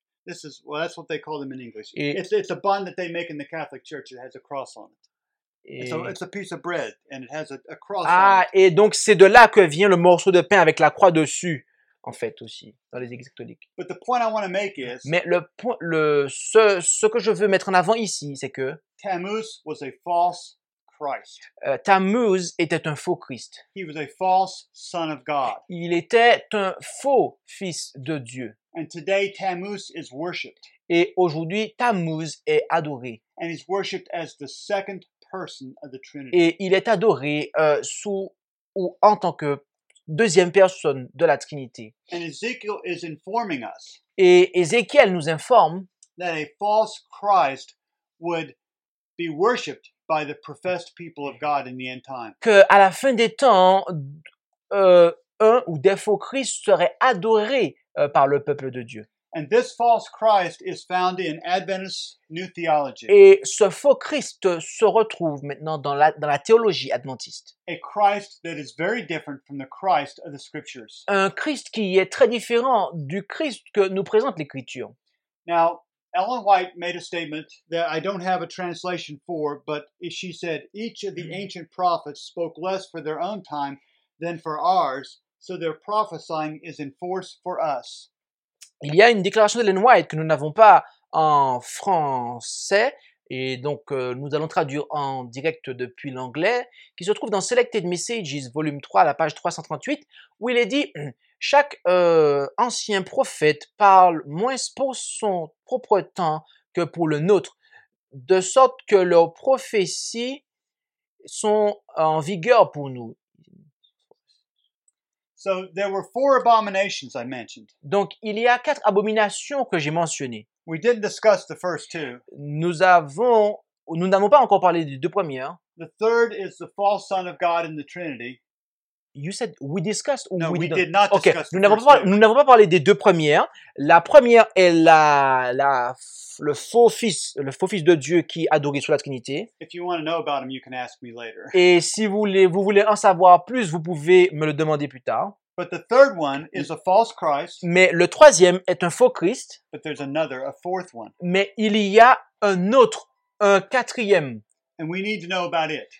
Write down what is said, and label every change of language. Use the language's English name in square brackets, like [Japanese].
[English] This is, well, that's what they call them in English. It's a bun that they make in the Catholic Church. It has a cross on it. It's a piece of bread and it has a cross on it. [French] Ah, et donc c'est de là que vient le morceau de pain avec la croix dessus, en fait, aussi, dans les églises catholiques. [English] But the point I want to make is, [French] mais le point, ce que je veux mettre en avant ici, c'est que [English] Tammuz was a false Christ. [French] Tammuz était un faux Christ. [English] He was a false son of God. [French] Il était un faux fils de Dieu. [English] And today Tammuz is worshipped. [French] Et aujourd'hui Tammuz est adoré. [English] And he's worshipped as the second person of the Trinity. [French] Et il est adoré sous ou en tant que deuxième personne de la Trinité. [English] And Ezekiel is informing us. [French] Et Ézéchiel nous informe [English] that a false Christ would be worshipped by the professed people of God in the end time. [French] Que à la fin des temps un ou des faux Christ serait adoré par le peuple de Dieu. [English] And this false Christ is found in Adventist New Theology. [French] Et ce faux Christ se retrouve maintenant dans la théologie adventiste. [English] A Christ that is very different from the Christ of the Scriptures. [French] Un Christ qui est très différent du Christ que nous présente l'Écriture. [English] Now, Ellen White made a statement that I don't have a translation for, but she said each of the ancient prophets spoke less for their own time than for ours, so their prophesying is in force for us. [French] Il y a une déclaration d'Ellen White que nous n'avons pas en français, et donc nous allons traduire en direct depuis l'anglais, qui se trouve dans Selected Messages, volume 3, à la page 338, où il est dit « Chaque ancien prophète parle moins pour son propre temps que pour le nôtre, de sorte que leurs prophéties sont en vigueur pour nous. » [English] So there were four abominations I mentioned. [French] Donc il y a quatre abominations que j'ai mentionnées. [English] We didn't discuss the first two. [French] Nous n'avons pas encore parlé des deux premières. [English] The third is the false son of God in the Trinity. You said we discussed. No, we didn't. Did not discuss. Okay. [French] Nous n'avons pas parlé des deux premières. La première est le faux fils de Dieu qui est adoré sous la Trinité. [English] If you want to know about him, you can ask me later. [French] Et si vous voulez en savoir plus, vous pouvez me le demander plus tard. [English] But the third one is a false Christ. [French] Mais le troisième est un faux Christ. [English] But there's another, a fourth one. [French] Mais il y a un quatrième. [English] And we need to know about it.